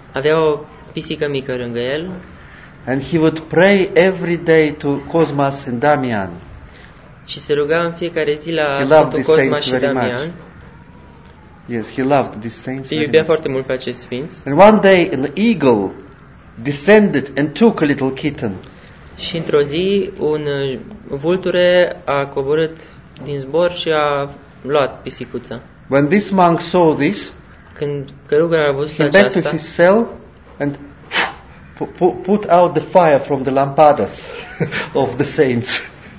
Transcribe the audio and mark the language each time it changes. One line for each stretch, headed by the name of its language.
Romanian: Avea o pisică mică lângă el.
English: And he would pray every day to Cosmas and Damian.
Romanian: Și se ruga în fiecare zi la Sfântul Cosmas și Damian.
English: Much. Yes, he loved these saints.
Romanian: Îi iubea foarte mult pe acești sfinți.
English: And one day an eagle descended and took a little kitten.
Romanian: Și într-o zi un vulture a coborât din zbor și a luat pisicuța.
English: When this monk saw this,
Romanian: când călugărul a văzut aceasta,
English: he went to his cell and put out the fire from the lampadas of the saints.